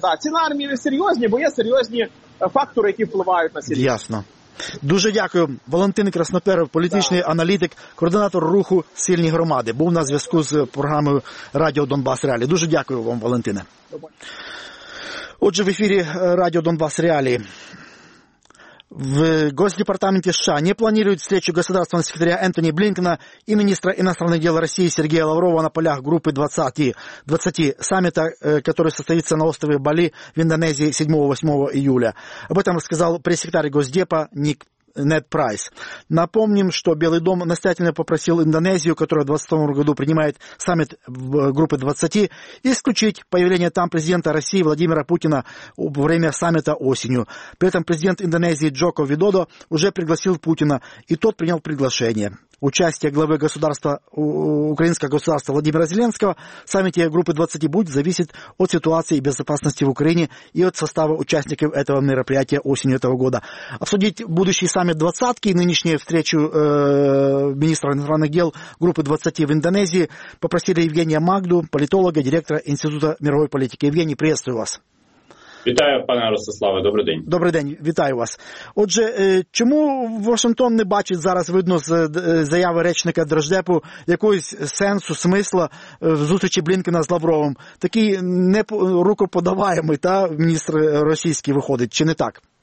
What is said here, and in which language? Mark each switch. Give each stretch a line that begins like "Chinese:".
Ukrainian: Так, ці наміри серйозні, бо є серйозні фактори, які впливають на серйозні. Ясно. Дуже дякую. Валентин Красноперов, політичний аналітик, координатор руху «Сильні громади», був на зв'язку з програмою «Радіо Донбас Реалі». Дуже дякую вам, Валентине. Отже, в ефірі Радіо Донбас Реалі.
Russian: В Госдепартаменте США не планируют встречу государственного секретаря Энтони Блинкена и министра иностранных дел России Сергея Лаврова на полях группы 20 саммита, который состоится на острове Бали в Индонезии 7-8 июля. Об этом рассказал пресс-секретарь Госдепа Нед Прайс. Напомним, что Белый дом настоятельно попросил Индонезию, которая в 2022 году принимает саммит группы 20, исключить появление там президента России Владимира Путина во время саммита осенью. При этом президент Индонезии Джоко Видодо уже пригласил Путина, и тот принял приглашение. Участие главы государства, украинского государства Владимира Зеленского в саммите группы 20 будет зависеть от ситуации безопасности в Украине и от состава участников этого мероприятия осенью этого года. Обсудить будущий саммит двадцатки и нынешнюю встречу министра иностранных дел группы 20 в Индонезии попросили Евгения Магду, политолога, директора Института мировой политики. Евгений, приветствую вас.
Ukrainian: Вітаю, пане Ростиславе, добрий день. Добрий день, вітаю вас. Отже, чому Вашингтон не бачить зараз, видно з заяви речника Держдепу, якогось сенсу, смисла в зустрічі Блінкена з Лавровим? Такий не рукоподаваємий, та міністр російський виходить, чи не так?